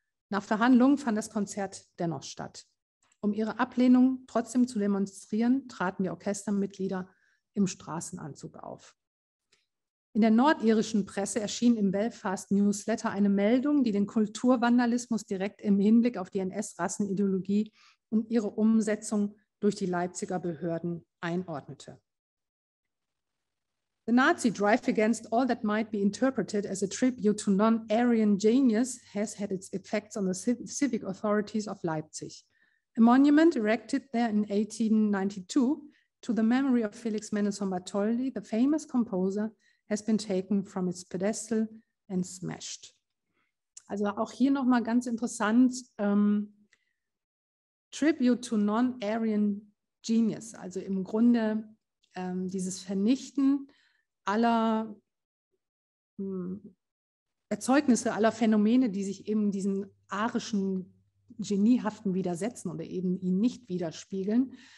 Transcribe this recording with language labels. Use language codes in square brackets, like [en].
[de] Nach Verhandlungen fand das Konzert dennoch statt. Um ihre Ablehnung trotzdem zu demonstrieren, traten die Orchestermitglieder im Straßenanzug auf. In der nordirischen Presse erschien im Belfast Newsletter eine Meldung, die den Kulturvandalismus direkt im Hinblick auf die NS-Rassenideologie und ihre Umsetzung durch die Leipziger Behörden einordnete. [en] The Nazi drive against all that might be interpreted as a tribute to non-Aryan genius has had its effects on the civic authorities of Leipzig. A monument erected there in 1892 to the memory of Felix Mendelssohn Bartholdy, the famous composer, has been taken from its pedestal and smashed. [de] Also auch hier nochmal ganz interessant, [en] Tribute to non-Aryan genius, [de] also im Grunde dieses Vernichten aller Erzeugnisse, aller Phänomene, die sich eben diesen arischen Geniehaften widersetzen oder eben ihn nicht widerspiegeln.